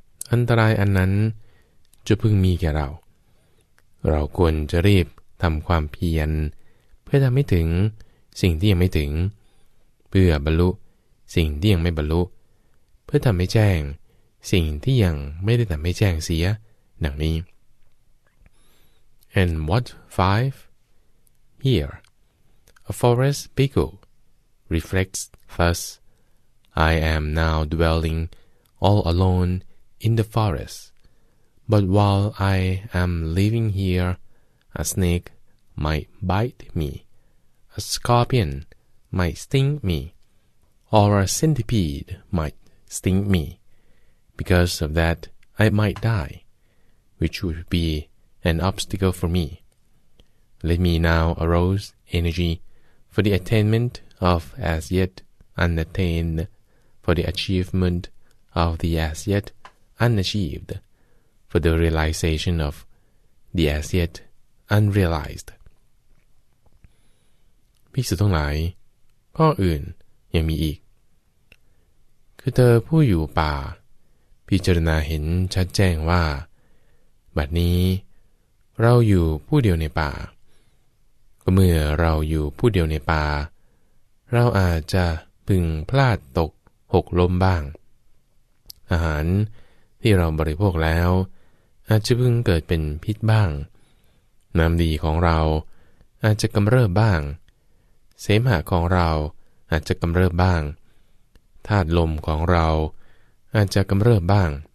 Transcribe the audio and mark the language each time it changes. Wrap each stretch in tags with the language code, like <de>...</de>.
<th>อันตรายอันนั้นจะพึงมีแก่เราเราควรจะรีบทำความเพียรเพื่อทำให้ถึงสิ่งที่ยังไม่ถึงเพื่อบรรลุสิ่งที่ยังไม่บรรลุเพื่อทำให้แจ้งสิ่งที่ยังไม่ได้ทำให้แจ้งเสียดังนี้</th> <en>And what five? Here, a forest pickle reflects. Thus, I am now dwelling all alone in the forest. But while I am living here, a snake might bite me, a scorpion might sting me, or a centipede might sting me. Because of that, I might die, which would be an obstacle for me. Let me now arouse energy for the attainment of as yetUnattained for the achievement of the as yet unachieved, for the realization of the as yet unrealized.</en> <th>ภิกษุทั้งหลายข้ออื่นยังมีอีกคือเธอผู้อยู่ป่าพิจารณาเห็นชัดแจ้งว่าบัดนี้เราอยู่ผู้เดียวในป่า เมื่อเราอยู่ผู้เดียวในป่าเราอาจจะพึงพลาดตกหกล้มบ้างอาหารที่เราบริโภคแล้วอาจจะพึงเกิดเป็นพิษบ้างน้ำดีของเราอาจจะกำเริบบ้างเสมหะของเราอาจจะกำเริบบ้างธาตุลมของเราอาจจะกำเริบบ้าง</th>